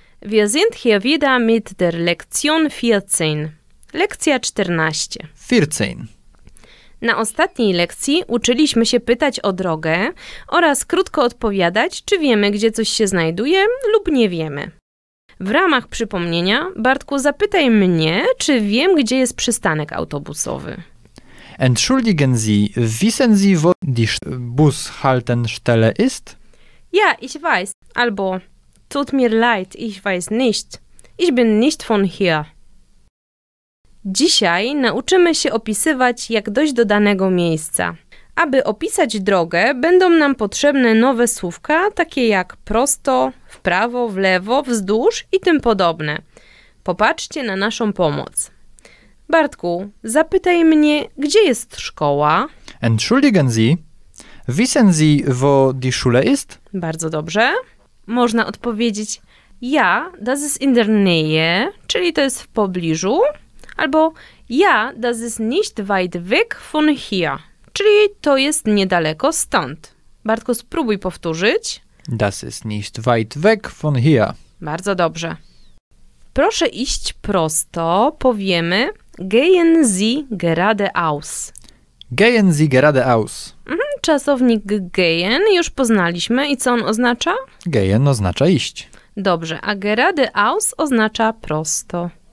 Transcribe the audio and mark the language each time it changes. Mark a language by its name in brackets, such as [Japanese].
[German] Wir sind hier wieder mit der Lektion 14. [Polish] Lekcja 14. 14. Na ostatniej lekcji uczyliśmy się pytać o drogę oraz krótko odpowiadać, czy wiemy, gdzie coś się znajduje lub nie wiemy. W ramach przypomnienia, Bartku, zapytaj mnie, czy wiem, gdzie jest przystanek autobusowy. [German] Entschuldigen Sie, wissen Sie, wo die Bushaltestelle ist? Ja, ich weiß. Albo tut mir leid, ich weiß nicht. Ich bin nicht von hier. [Polish] Dzisiaj nauczymy się opisywać, jak dojść do danego miejsca. Aby opisać drogę, będą nam potrzebne nowe słówka, takie jak prosto, w prawo, w lewo, wzdłuż i tym podobne. Popatrzcie na naszą pomoc. Bartku, zapytaj mnie, gdzie jest szkoła? [German] Entschuldigen Sie, wissen Sie, wo die Schule ist? [Polish] Bardzo dobrze. Można odpowiedzieć [German] ja, das ist in der Nähe, [Polish] czyli to jest w pobliżu. [German] Albo ja, das ist nicht weit weg von hier. [Polish] Czyli to jest niedaleko stąd. Bartku, spróbuj powtórzyć. [German] Das ist nicht weit weg von hier. [Polish] Bardzo dobrze. Proszę iść prosto, powiemy [German] gehen Sie geradeaus. Gehen Sie geradeaus. [Polish] Czasownik gehen już poznaliśmy i co on oznacza? Gehen oznacza iść. Dobrze, a geradeaus oznacza prosto.